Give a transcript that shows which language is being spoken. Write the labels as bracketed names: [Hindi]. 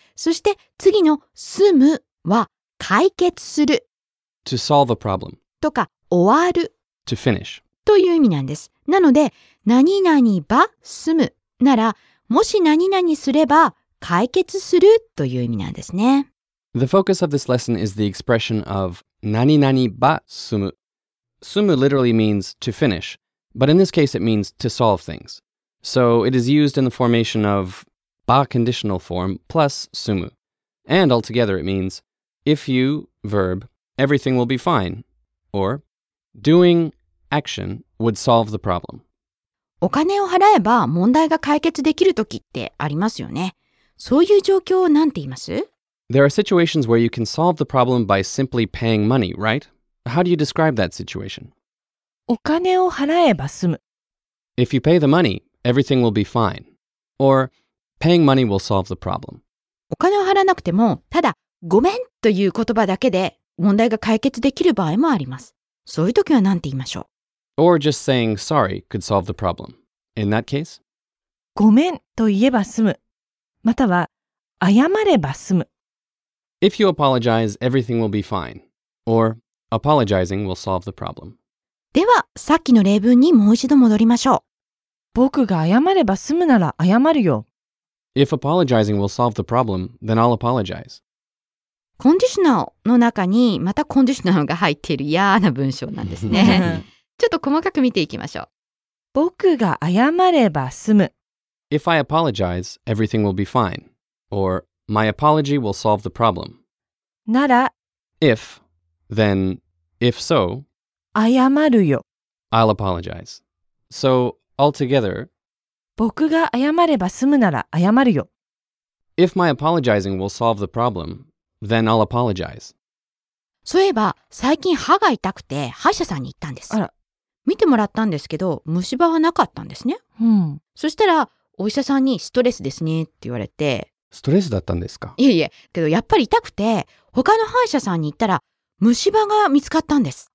[Japanese] そして次の済むは解決する。 [English] To solve a problem. [Japanese] とか終わる。 [English] To finish. [Japanese] という意味なんです。なので、何々ば済むなら、もし何々すれば解決するという意味なんですね。 [English] The focus of this lesson is the expression of 何々ば済む。済む literally means to finish, but in this case it means to solve things. So it is used in the formation of ba conditional form plus 済む. And altogether it means if you, verb, everything will be fine. Or doing action would solve the problem. [Japanese] お金を払えば問題が解決できるときってありますよね。そういう状況を何て言います？ [English] There are situations where you can solve the problem by simply paying money, right? How do you describe that situation? [Japanese] お金を払えば済む。 [English] If you pay the money, everything will be fine. Or, paying money will solve the problem. [Japanese] お金を払わなくても、ただごめんという言葉だけで問題が解決できる場合もあります。そういうときは何て言いましょう？ [English] Or just saying sorry could solve the problem. In that case? [Japanese] ごめんと言えば済む。または、謝れば済む。 [English] If you apologize, everything will be fine. Or, apologizing will solve the problem. [Japanese] では、さっきの例文にもう一度戻りましょう。僕が謝れば済むなら謝るよ。 [English] If apologizing will solve the problem, then I'll apologize. [Japanese] コンディショナルの中にまたコンディショナルが入っている嫌な文章なんですね。ちょっと細かく見ていきましょう。僕が謝れば済む。 [English] If I apologize, everything will be fine. Or, my apology will solve the problem. [Japanese] なら、 [English] If, then, if so, [Japanese] 謝るよ。 [English] I'll apologize. So, altogether, [Japanese] 僕が謝れば済むなら謝るよ。 [English] If my apologizing will solve the problem, then I'll apologize. [Japanese] そういえば、最近歯が痛くて歯医者さんに行ったんです。あら。見てもらったんですけど、虫歯はなかったんですね。うん。そしたら、お医者さんにストレスですねって言われて。ストレスだったんですか？いえいえ、けどやっぱり痛くて、他の歯医者さんに行ったら、虫歯が見つかったんです。